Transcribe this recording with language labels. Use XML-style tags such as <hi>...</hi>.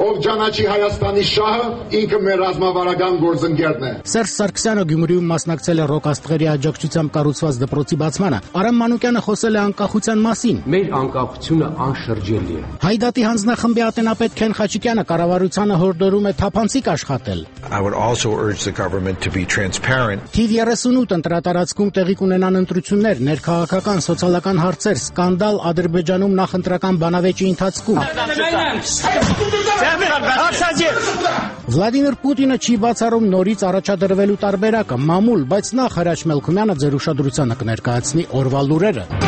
<hy>Ով ճանաչի Հայաստանի շահը, ինքը մեր ռազմավարական գործընկերն է։ Սերժ Սարգսյանը Գյումրիում մասնակցել է ռոք աստղերի աջակցությամբ կառուցված դպրոցի բացմանը, Արամ Մանուկյանը խոսել է անկախության մասին։ Մեր անկախությունը անշրջելի է։ Հայդատի հանձնախմբի ատենապետ Քեն Խաչիկյանը կառավարությանը հորդորում է թափանցիկ աշխատել։</hy> <en>I would also urge the government to be transparent.</en> <hy>TV 38 ընտրատարածքում տեղի կունենան ընտրություններ, ներքաղաքական, սոցիալական հարցեր, սկանդալ Ադրբեջանում նախընտրական բանավեճի ընթացքում։ Վլադիմիր Պուտինը չի բացառում նորից առաջադրվելու տարբերակը, մամուլ, բայց նախ Հրաչ Մելքումյանը ձեր ուշադրությանը կներկայացնի օրվա լուրերը։</hy>